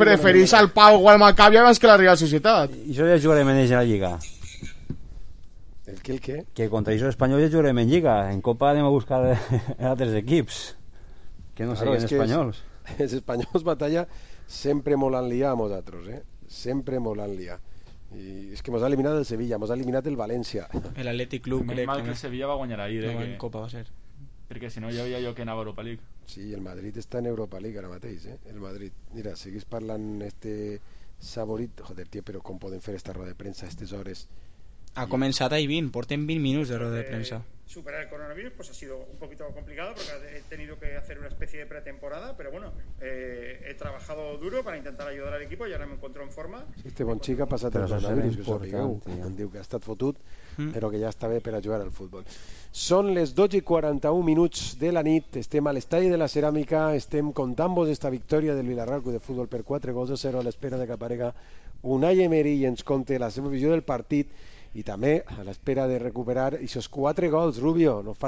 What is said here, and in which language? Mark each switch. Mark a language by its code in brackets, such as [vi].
[ca] Preferís el Pau o el Maccabi abans que la Real Societat. I això ja jugarem en ells a la Lliga. El què? Que contra ells els espanyols ja jugarem en Lliga. En Copa anem a buscar altres equips. Que no siguin espanyols. Els espanyols batalla sempre molt en liar a nosaltres, eh? Sempre molt en liar. [es] Y es que hemos eliminado el Sevilla, hemos eliminado el Valencia, el Athletic Club. Menos mal que el Sevilla va a ganar ahí, no, en Copa va a ser, porque si no ya veía yo que en Europa League. Sí, el Madrid está en Europa League ahora mateix, el Madrid. [ca] Mira, seguís parlant este Saborit, [es] joder, tío, pero cómo pueden hacer esta rueda de prensa a estas horas. [ca] Ha començat ahir 20, portem 20 minuts de roda de premsa. [es] Superar el coronavirus pues ha sido un poquito complicado porque he tenido que hacer una especie de pretemporada, pero bueno, he trabajado duro para intentar ayudar al equipo y ahora me encuentro en forma. [ca] Este bon xic ha passat el coronavirus, em diu que ha estat fotut, però que ja està bé per a jugar al futbol. Són les 12:41 minuts de la nit, estem a l'estadi de la Ceràmica, estem contant-vos esta victòria del Vila-real Club de Futbol per 4-0 a l'espera de que aparega Unai Emery i ens conte la seva visió del partit i també a l'espera de recuperar aquests 4 gols, Rubio.